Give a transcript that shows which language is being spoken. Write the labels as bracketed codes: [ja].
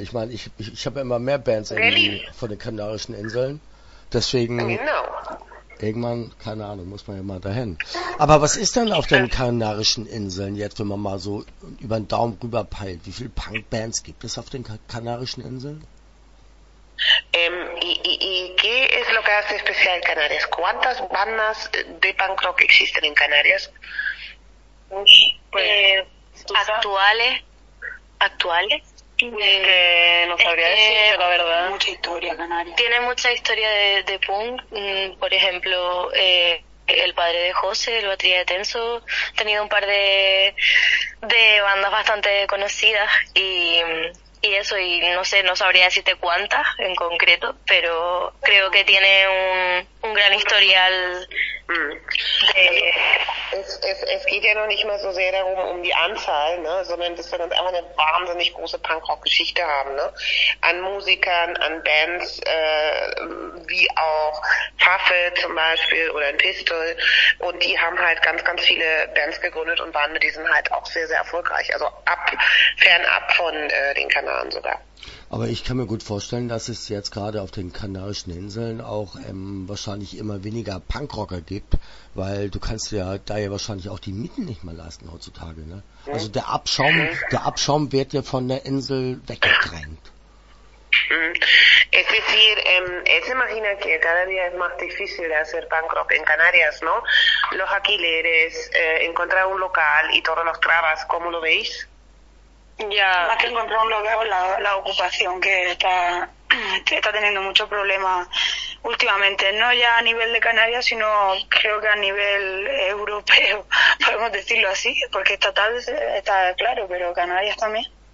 [de] Ich meine, ich habe immer mehr Bands von den Kanarischen Inseln. Deswegen. Genau. Irgendwann, keine Ahnung, muss man ja mal dahin. Aber was ist denn auf den Kanarischen Inseln jetzt, wenn man mal so über den Daumen rüber peilt? Wie viele Punkbands gibt es auf den Kanarischen Inseln? [es] ¿Y qué es lo que hace especial Canarias? ¿Cuántas bandas de punk rock existen en Canarias? Pues, ¿tú sabes? Actuales, actuales. Que no sabría decirte la verdad. Mucha historia Canarias. Tiene mucha historia de punk. Por ejemplo, el padre de José, el batería de Tenso, ha tenido un par de bandas bastante conocidas y eso, y no sé, no sabría decirte cuántas en concreto, pero creo que tiene un gran historial de. [de] Es geht ja noch nicht mal so sehr darum, um die Anzahl, ne, sondern dass wir dann einfach eine wahnsinnig große Punkrock-Geschichte haben, ne? An Musikern, an Bands, wie auch Pfaffe zum Beispiel oder ein Pistol. Und die haben halt ganz, ganz viele Bands gegründet und waren mit diesen halt auch sehr, sehr erfolgreich. Also fernab von den Kanaren sogar. Aber ich kann mir gut vorstellen, dass es jetzt gerade auf den Kanarischen Inseln auch wahrscheinlich immer weniger Punkrocker gibt, weil du kannst ja da ja wahrscheinlich auch die Mieten nicht mehr leisten heutzutage, ne? Also der Abschaum wird ja von der Insel weggedrängt. [es] Es decir, él se imagina que cada día es más difícil hacer punk rock en Canarias, ¿no? Los alquileres, encontrar un local y todos los trabas, ¿cómo lo veis? Más que encontrar un local, la ocupación que está teniendo mucho problema últimamente, no ya a nivel de Canarias, sino creo que a nivel europeo, podemos decirlo así, porque estatal está claro, pero Canarias también.